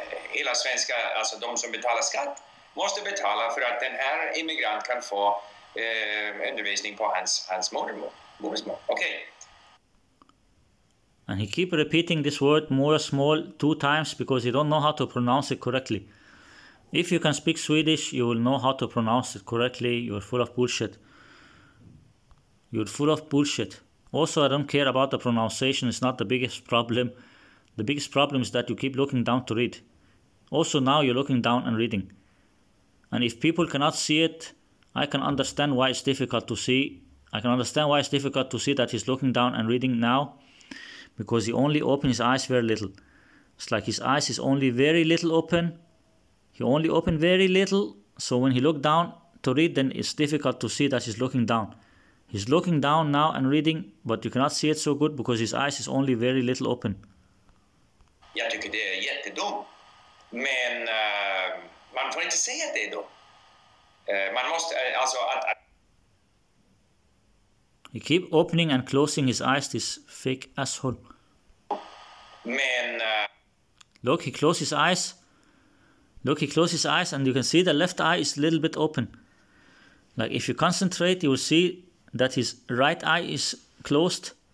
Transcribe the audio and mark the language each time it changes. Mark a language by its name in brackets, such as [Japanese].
[Swedish] Hela svenska, alltså de som betalar skatt, måste betala för att den här immigrant kan få undervisning på hans modersmål. [English] Okay. And he keep repeating this word modersmål 2 times because he don't know how to pronounce it correctly. If you can speak Swedish, you will know how to pronounce it correctly. You're full of bullshit. You're full of bullshit. Also, I don't care about the pronunciation, it's not the biggest problem. The biggest problem is that you keep looking down to read. Also, now you're looking down and reading. And if people cannot see it, I can understand why it's difficult to see. I can understand why it's difficult to see that he's looking down and reading now. Because he only opens his eyes very little. It's like his eyes is only very little open. He only opened very little. So when he looked down to read, then it's difficult to see that he's looking down. He's looking down now and reading, but you cannot see it so good because his eyes is only very little open. [Swedish] Jag tycker det är jättedumt. Men man får inte säga det då. Man måste alltså att [English] he keep opening and closing his eyes, this fake asshole. [Swedish] Men [English] look, he closes his eyes. Look, he closes his eyes and you can see the left eye is a little bit open. Like if you concentrate, you will see that his right eye is closed.